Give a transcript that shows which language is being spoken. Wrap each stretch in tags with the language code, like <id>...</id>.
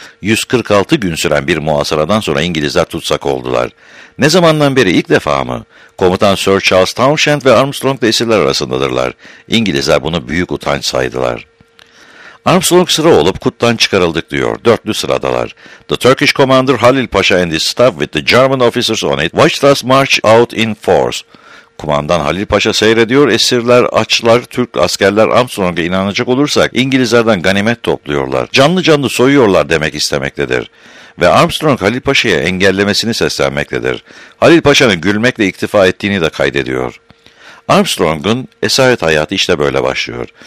<tr>146 gün süren bir muhasaradan sonra İngilizler tutsak oldular. Ne zamandan beri ilk defa mı? Komutan Sir Charles Townshend ve Armstrong da esirler arasındadırlar. İngilizler bunu büyük utanç saydılar. Armstrong sıra olup Kut'tan çıkarıldık diyor. Dörtlü sıradalar.</tr> <en>The Turkish commander Halil Paşa and his staff with the German officers on it watched us march out in force.</en> <tr>Kumandan Halil Paşa seyrediyor, esirler, açlar, Türk askerler Armstrong'a inanacak olursak İngilizlerden ganimet topluyorlar. Canlı canlı soyuyorlar demek istemektedir. Ve Armstrong Halil Paşa'ya engellemesini seslenmektedir. Halil Paşa'nın gülmekle iktifa ettiğini de kaydediyor. Armstrong'un esaret hayatı işte böyle başlıyor.</tr>